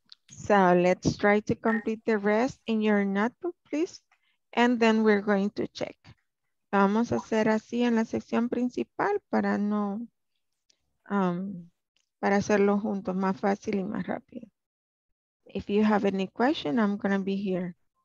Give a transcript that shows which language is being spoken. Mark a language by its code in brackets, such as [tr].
[en] So let's try to complete the rest in your notebook, please. And then we're going to check. [es] Vamos a hacer así en la sección principal para no, para hacerlo juntos más fácil y más rápido. [en] If you have any question, I'm going to be here.